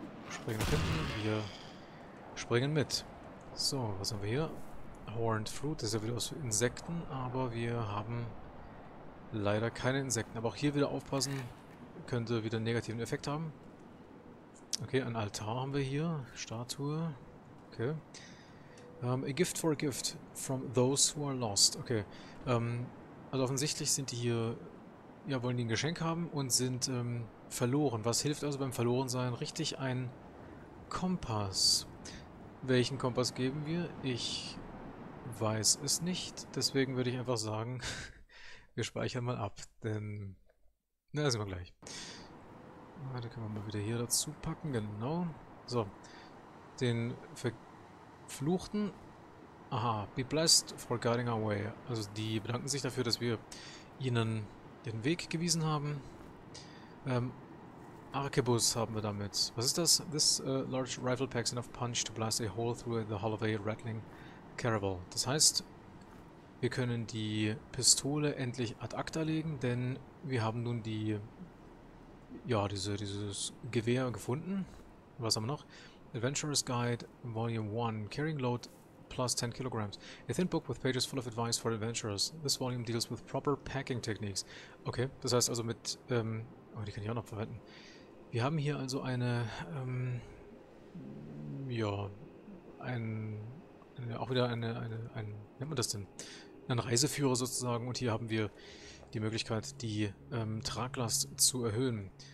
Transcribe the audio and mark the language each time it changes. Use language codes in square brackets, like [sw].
[de] Springen nach hinten, wir springen mit. So, was haben wir hier? Horned Fruit, das ist ja wieder was für Insekten, aber wir haben leider keine Insekten. Aber auch hier wieder aufpassen, könnte wieder einen negativen Effekt haben. Okay, ein Altar haben wir hier, Statue. Okay. [en] A gift for a gift from those who are lost. Okay. [de] Also offensichtlich sind die hier, ja, wollen die ein Geschenk haben und sind verloren. Was hilft also beim Verlorensein? Richtig, ein Kompass. Welchen Kompass geben wir? Ich weiß es nicht. Deswegen würde ich einfach sagen, wir speichern mal ab. Denn, na, sehen wir gleich. Ah, da können wir mal wieder hier dazu packen. Genau. So. Den Verfluchten. Aha. [en] Be blessed for guiding our way. [de] Also die bedanken sich dafür, dass wir ihnen den Weg gewiesen haben. Arquebus haben wir damit. Was ist das? [en] This large rifle packs enough punch to blast a hole through the hull of a rattling caravel. [de] Das heißt, wir können die Pistole endlich ad acta legen, denn wir haben nun die, ja, dieses Gewehr gefunden. Was haben wir noch? [en] Adventurer's Guide, Volume 1. Carrying load plus 10 kilograms. A thin book with pages full of advice for adventurers. This volume deals with proper packing techniques. [de] Okay, das heißt also mit, oh, die kann ich auch noch verwenden. Wir haben hier also eine, nennt man das denn? Ein Reiseführer sozusagen. Und hier haben wir die Möglichkeit, die Traglast zu erhöhen.